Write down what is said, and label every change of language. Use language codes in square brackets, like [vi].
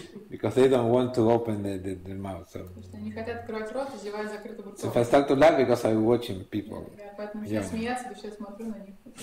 [en] Because they don't want to open the mouth. [ru] Потому что они хотят открывать рот и зевают закрытым ртом. [en] So I start to laugh because I'm watching people. [ru] Я поэтому сейчас смеяться, потому что я смотрю на них.